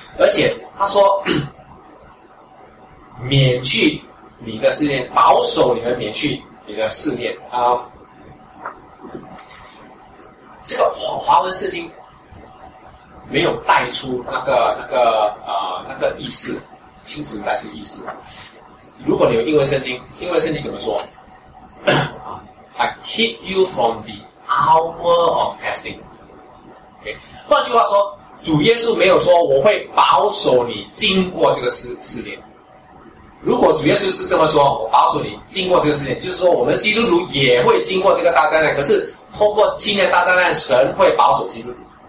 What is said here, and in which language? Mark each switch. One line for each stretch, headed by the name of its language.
Chinese: 而且他说免去你的试炼，保守你们免去你的试炼啊！这个华文圣经没有带出那个意思，亲自带出意思。如果你有英文圣经怎么说？
English: I keep you from the hour of testing。
Chinese: Okay， 换句话说，主耶稣没有说我会保守你经过这个试炼。如果主耶稣是这么说，我保守你经过这个试炼，就是说我们基督徒也会经过这个大灾难，可是通过七年大灾难，神会保守基督徒。